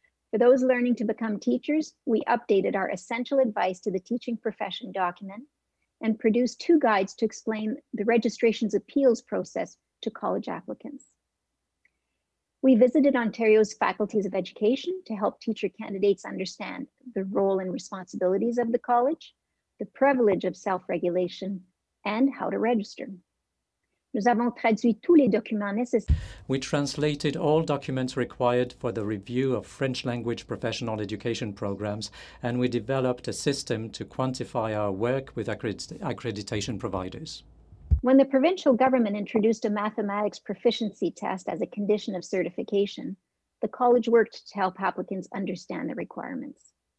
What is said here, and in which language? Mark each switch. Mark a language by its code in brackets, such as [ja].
[en] For those learning to become teachers, we updated our Essential Advice to the Teaching Profession document and produced two guides to explain the registration's appeals process to college applicants. We visited Ontario's Faculties of Education to help teacher candidates understand the role and responsibilities of the college, the privilege of self-regulation, and how to register. [fr] Nous avons traduit tous les documents nécessaires. [en] We translated all documents required for the review of French language professional education programs, and we developed a system to quantify our work with accreditation providers. When the provincial government introduced a mathematics proficiency test as a condition of certification, the college worked to help applicants understand the requirements.